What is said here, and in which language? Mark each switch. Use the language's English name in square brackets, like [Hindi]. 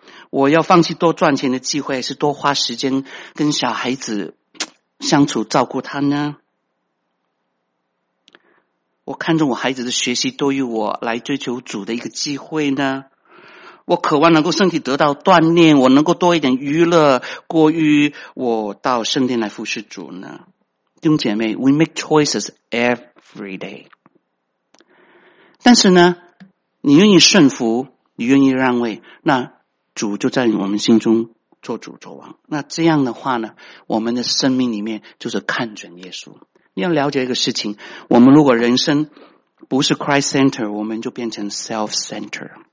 [Chinese] 我要放弃多赚钱的机会，还是多花时间跟小孩子相处照顾他呢？我看着我孩子的学习多于我来追求主的一个机会呢？我渴望能够身体得到锻炼，我能够多一点娱乐过于我到圣殿来服侍主呢？弟兄姐妹， [English] We make choices every day。 [Chinese] 但是呢，你愿意顺服，你愿意让位，那主就在我们心中做主做王。那这样的话呢，我们的生命里面就是看准耶稣。你要了解一个事情，我们如果人生不是 Christ Center， 我们就变成 Self Center。